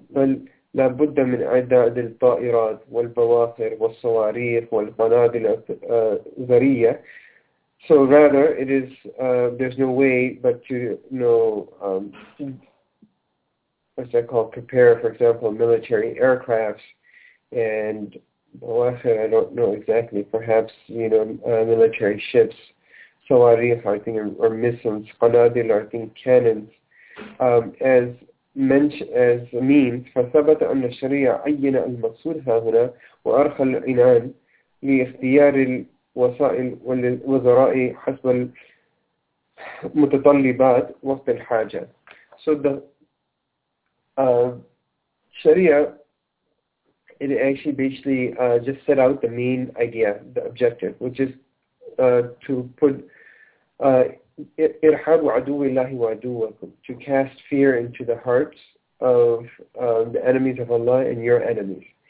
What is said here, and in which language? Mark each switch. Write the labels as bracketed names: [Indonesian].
[Arabic] بل لابد من إعداد الطائرات والبواخر والصواريخ والقنابل الذرية. [English] So rather, it is there's no way but to, you know, what's that called? Prepare, for example, military aircrafts, and I don't know exactly. Perhaps, you know, military ships, صواريخ, I think, or missiles, قنابل, I think, cannons, as means. [Arabic] فثبت أن الشريعة عين المقصود هنا وأرخى العنان لاختيار وسائل وذرائع حسب متطلبات وقت الحاجة. [English] So the Sharia, it actually basically just set out the main idea, the objective, which is to put [Arabic] إرحاب عدو الله وعدوكم, [English] to cast fear into the hearts of the enemies of Allah and your enemies.